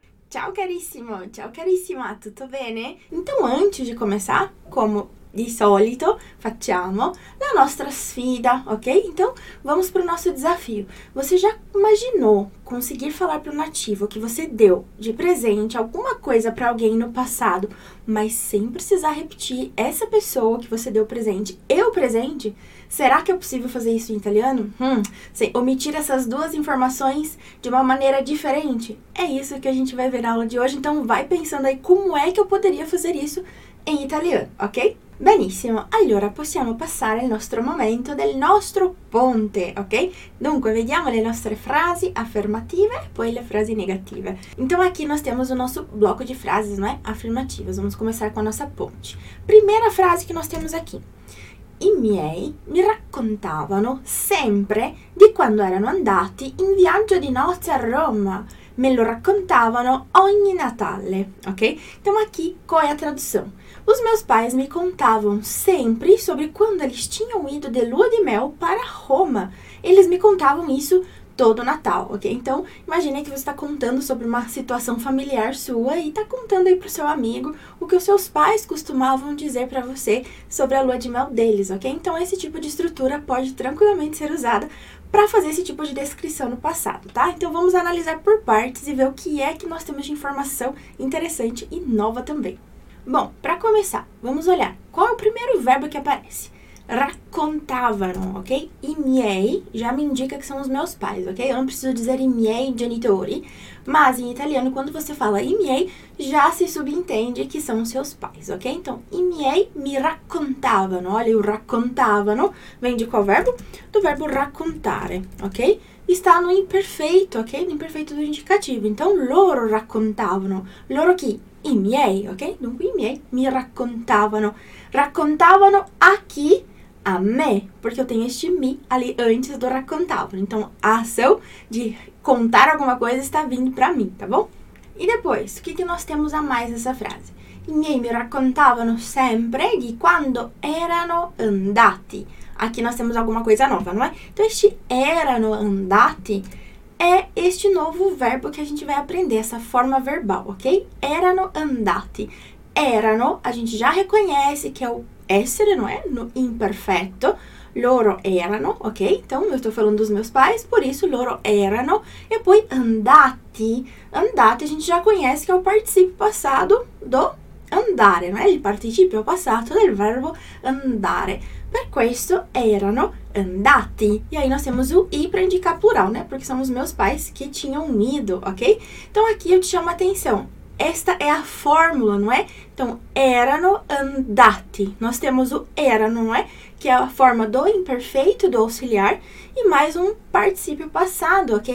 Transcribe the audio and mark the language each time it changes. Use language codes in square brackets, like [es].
[it] Ciao carissima, tutto bene? [pt] Então, antes de começar, [it] como di solito facciamo, la nostra sfida, ok? [pt] Então, vamos para o nosso desafio. Você já imaginou conseguir falar para o nativo que você deu de presente alguma coisa para alguém no passado, mas sem precisar repetir essa pessoa que você deu presente e o presente? Será que é possível fazer isso em italiano? Sem omitir essas duas informações de uma maneira diferente? É isso que a gente vai ver na aula de hoje, então vai pensando aí como é que eu poderia fazer isso em italiano, ok? [it] Benissimo, allora possiamo passare al nostro momento del nostro ponte, ok? Dunque, vediamo le nostre frasi affermative e poi le frasi negative. [pt] Então, aqui nós temos o nosso bloco de frases, não é? Affermativas. Vamos começar com a nossa ponte. Primeira frase que nós temos aqui. [it] I miei mi raccontavano sempre di quando erano andati in viaggio di nozze a Roma. Me lo raccontavano ogni Natale, ok? [pt] Então, aqui, qual é a tradução? Os meus pais me contavam sempre sobre quando eles tinham ido de lua de mel para Roma. Eles me contavam isso todo Natal, ok? Então, imagine que você está contando sobre uma situação familiar sua e está contando aí para o seu amigo o que os seus pais costumavam dizer para você sobre a lua de mel deles, ok? Então, esse tipo de estrutura pode tranquilamente ser usada para fazer esse tipo de descrição no passado, tá? Então, vamos analisar por partes e ver o que é que nós temos de informação interessante e nova também. Bom, para começar, vamos olhar. Qual é o primeiro verbo que aparece? Raccontavano, ok? I miei já me indica que são os meus pais, ok? Eu não preciso dizer [it] i miei genitori, [pt] mas em italiano, quando você fala i miei, já se subentende que são os seus pais, ok? Então, [it] i miei mi raccontavano. [pt] Olha, o raccontavano vem de qual verbo? Do verbo raccontare, ok? Está no imperfeito, ok? No imperfeito do indicativo. Então, loro raccontavano. Loro chi? I miei, ok? [it] Dunque, i miei mi raccontavano. Raccontavano a chi? [pt] A me, porque eu tenho este mi ali antes do raccontavano. Então, a ação de contar alguma coisa está vindo para mim, tá bom? E depois, o que que nós temos a mais nessa frase? [it] I miei mi raccontavano sempre di quando erano andati. [pt] Aqui nós temos alguma coisa nova, não é? Então, este erano andati é este novo verbo que a gente vai aprender, essa forma verbal, ok? Erano andati. Erano, a gente já reconhece que é o essere, não é? No imperfeito. Loro erano, ok? Então, eu estou falando dos meus pais, por isso loro erano. E poi andati. Andati, a gente já conhece que é o participio passato do andare, não é? [it] Il participio passato del verbo andare. Per questo erano andati. [pt] E aí nós temos o i para indicar plural, né? Porque são os meus pais que tinham ido, ok? Então aqui eu te chamo a atenção. Esta é a fórmula, não é? Então, erano andati. Nós temos o erano, não é? Que é a forma do imperfeito do auxiliar e mais um participio passado, ok?